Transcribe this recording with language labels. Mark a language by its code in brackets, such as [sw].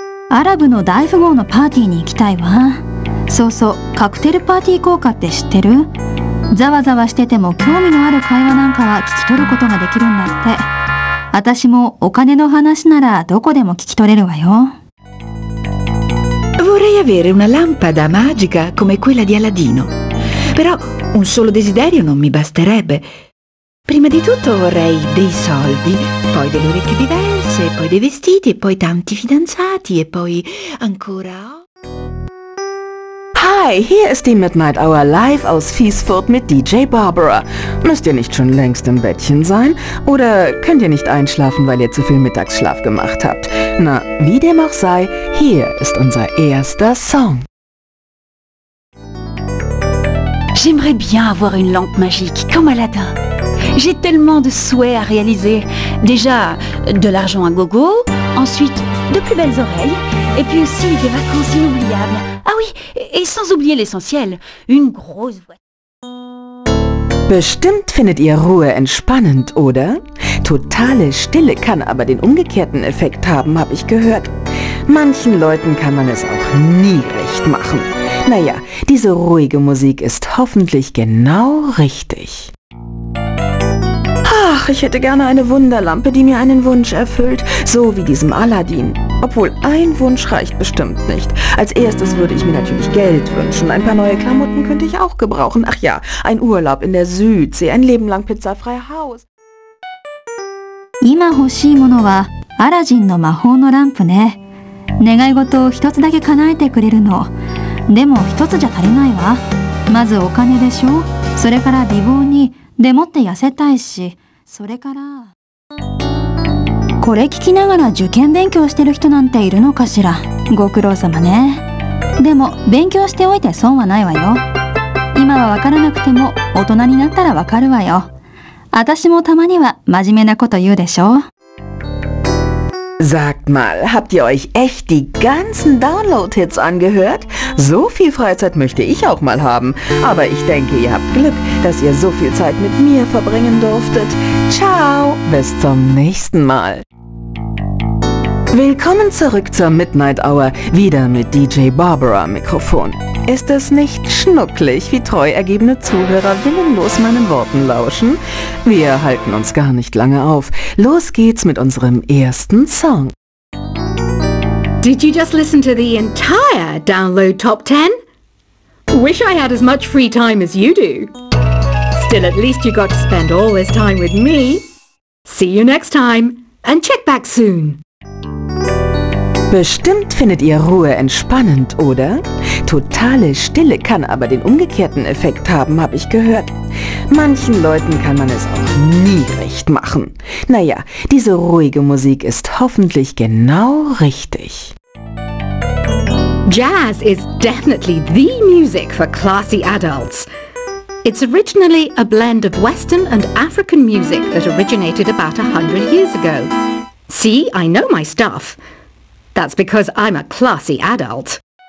[ja] アラブの大富豪のパーティーに行きたいわ。そうそう、カクテルパーティー効果って知ってる? ざわざわしてても興味のある会話なんかは聞き取ることができるんだって。私もお金の話ならどこでも聞き取れるわよ。 [it] Vorrei avere una lampada magica come quella di Aladino. Però un solo desiderio non mi basterebbe. Prima di tutto vorrei dei soldi, poi delle orecchie diverse, poi dei vestiti e poi tanti fidanzati e poi ancora... [de] Hi, hier ist die Midnight Hour live aus Fiesfurt mit DJ Barbara. Müsst ihr nicht schon längst im Bettchen sein? Oder könnt ihr nicht einschlafen, weil ihr zu viel Mittagsschlaf gemacht habt? Na, wie dem auch sei, hier ist unser erster Song. [fr] J'aimerais bien avoir une lampe magique, comme Aladdin. J'ai tellement de souhaits à réaliser. Déjà, de l'argent à gogo, ensuite, de plus belles oreilles, et puis aussi des vacances inoubliables. Ah oui, et sans oublier l'essentiel, une grosse voix. [de] Bestimmt findet ihr Ruhe entspannend, oder? Totale Stille kann aber den umgekehrten Effekt haben, habe ich gehört. Manchen Leuten kann man es auch nie recht machen. Naja, diese ruhige Musik ist hoffentlich genau richtig. Ach, ich hätte gerne eine Wunderlampe, die mir einen Wunsch erfüllt, so wie diesem Aladdin. Obwohl, ein Wunsch reicht bestimmt nicht. Als erstes würde ich mir natürlich Geld wünschen. Ein paar neue Klamotten könnte ich auch gebrauchen. Ach ja, ein Urlaub in der Südsee, ein Leben lang pizzafreies Haus. [ja] 今欲しいものはアラジンの魔法のランプね。願い事を一つだけ叶えてくれるの。でも一つじゃ足りないわ。まずお金でしょ。それから美貌に。でもって痩せたいし。それから。これ聞きながら受験勉強してる人なんているのかしら。ご苦労様ね。でも勉強しておいて損はないわよ。今はわからなくても大人になったらわかるわよ。私もたまには真面目なこと言うでしょ。 [de] Sagt mal, habt ihr euch echt die ganzen Download-Hits angehört? So viel Freizeit möchte ich auch mal haben. Aber ich denke, ihr habt Glück, dass ihr so viel Zeit mit mir verbringen durftet. Ciao, bis zum nächsten Mal. Willkommen zurück zur Midnight Hour, wieder mit DJ Barbara Mikrofon. Ist es nicht schnucklig, wie treu ergebene Zuhörer willenlos meinen Worten lauschen? Wir halten uns gar nicht lange auf. Los geht's mit unserem ersten Song. [en] Did you just listen to the entire Download Top 10? Wish I had as much free time as you do. Still, at least you got to spend all this time with me. See you next time and check back soon. Thank you. [de] Bestimmt findet ihr Ruhe entspannend, oder? Totale Stille kann aber den umgekehrten Effekt haben, habe ich gehört. Manchen Leuten kann man es auch nie recht machen. Naja, diese ruhige Musik ist hoffentlich genau richtig. [en] Jazz is definitely the music for classy adults. It's originally a blend of Western and African music that originated about 100 years ago. See, I know my stuff. That's because I'm a classy adult.